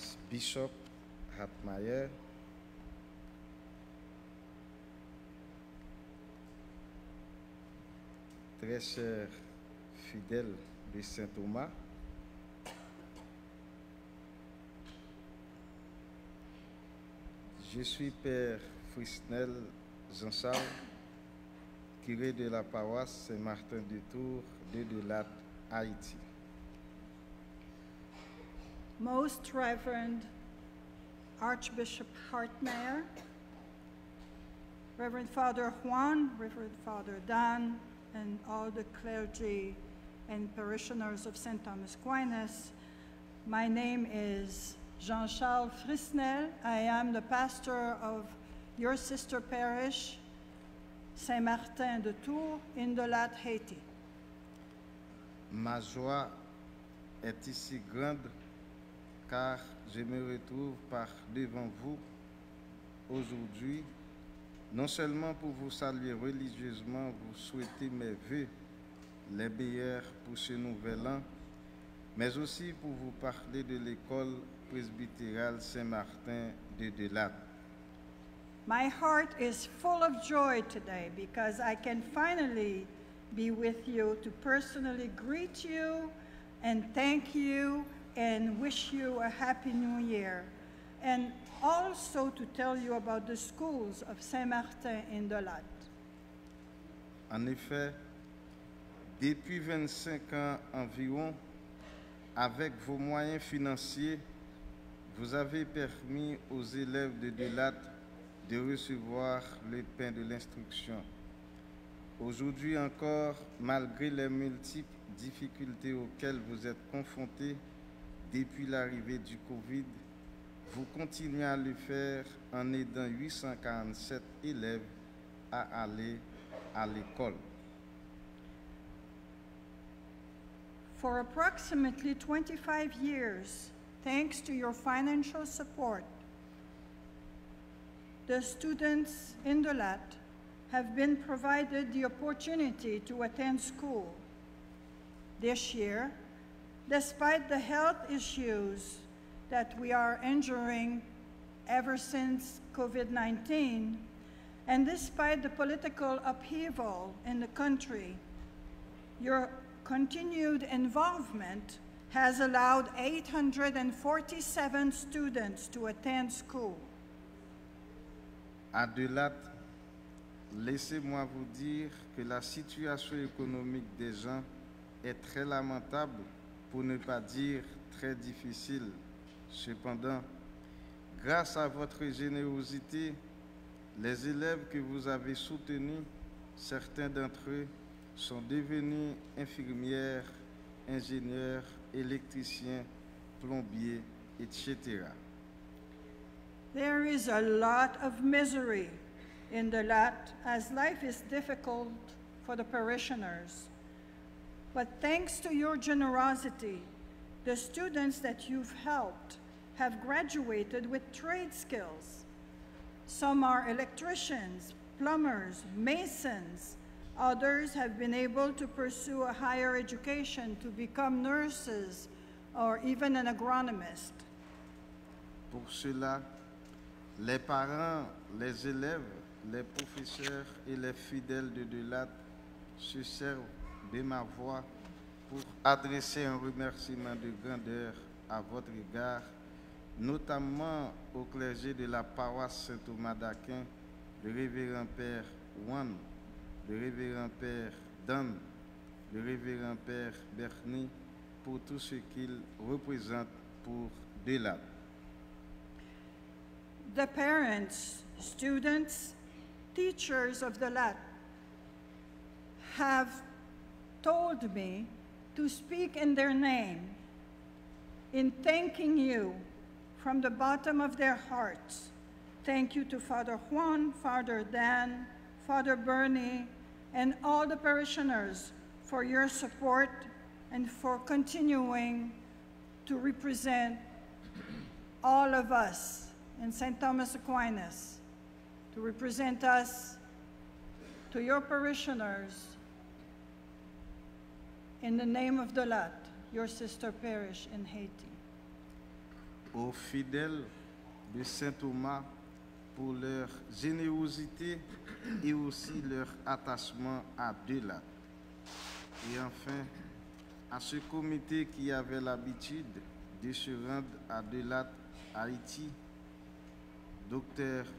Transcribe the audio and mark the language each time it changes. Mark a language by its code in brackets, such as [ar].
[fr] Bishop Hartmeyer, très cher fidèle de Saint Thomas, je suis Père Frisnell Jean-Charles, curé de la paroisse Saint-Martin de Tours de Delat, Haïti. [en] Most Reverend Archbishop Hartmeyer, Reverend Father Juan, Reverend Father Dan, and all the clergy and parishioners of St. Thomas Aquinas, my name is Jean-Charles Frisnell. I am the pastor of your sister parish, Saint-Martin de Tours, in Dalat, Haiti. [fr] Ma joie est ici grande. Car je me retrouve par devant vous aujourd'hui, non seulement pour vous saluer religieusement, vous souhaiter mes vœux, les meilleurs pour ce nouvel an, mais aussi pour vous parler de l'école presbytérale Saint-Martin de Delat. [en] My heart is full of joy today because I can finally be with you to personally greet you and thank you and wish you a happy new year, and also to tell you about the schools of Saint-Martin in Dalat. [fr] En effet, Depuis 25 ans environ, avec vos moyens financiers, vous avez permis aux élèves de Delat de recevoir le pain de l'instruction. Aujourd'hui encore, malgré les multiples difficultés auxquelles vous êtes confrontés depuis l'arrivée du COVID, vous continuez à le faire en aidant 847 élèves à aller à l'école. [en] For approximately 25 years, thanks to your financial support, the students in Delat have been provided the opportunity to attend school. This year, despite the health issues that we are enduring ever since COVID-19, and despite the political upheaval in the country, your continued involvement has allowed 847 students to attend school. [fr] À Delat, laissez-moi vous dire que la situation économique des gens est très lamentable, pour ne pas dire très difficile. Cependant, grâce à votre générosité, les élèves que vous avez soutenus, certains d'entre eux, sont devenus infirmières, ingénieurs, électriciens, plombiers, etc. [en] There is a lot of misery in Delat as life is difficult for the parishioners. But thanks to your generosity, the students that you've helped have graduated with trade skills. Some are electricians, plumbers, masons. Others have been able to pursue a higher education to become nurses or even an agronomist. [fr] Pour cela, les parents, les élèves, les professeurs et les fidèles de Delat se servent de ma voix pour adresser un remerciement de grandeur à votre égard, notamment au clergé de la paroisse Saint-Thomas d'Aquin, le révérend père Juan, le révérend père Dan, le révérend père Bernie, pour tout ce qu'ils représentent pour Delat. [en] The parents, students, teachers of Delat have told me to speak in their name in thanking you from the bottom of their hearts. Thank you to Father Juan, Father Dan, Father Bernie, and all the parishioners for your support and for continuing to represent all of us in St. Thomas Aquinas, to represent us to your parishioners in the name of Delat, your sister parish in Haiti. [fr] Aux fidèles de Saint Thomas, pour leur générosité et aussi leur attachement à Delat. Et enfin, à ce comité qui avait l'habitude de se rendre à Delat, Haïti, Dr.